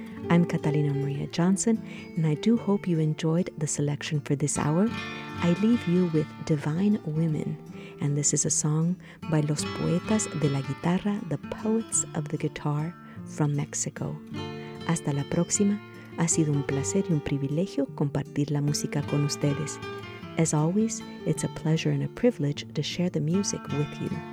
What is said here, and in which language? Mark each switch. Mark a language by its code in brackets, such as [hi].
[en] I'm Catalina Maria Johnson, and I do hope you enjoyed the selection for this hour. I leave you with Divine Women, and this is a song by Los Poetas de la Guitarra, the Poets of the Guitar, from Mexico. [es] Hasta la próxima. Ha sido un placer y un privilegio compartir la música con ustedes. [en] As always, it's a pleasure and a privilege to share the music with you.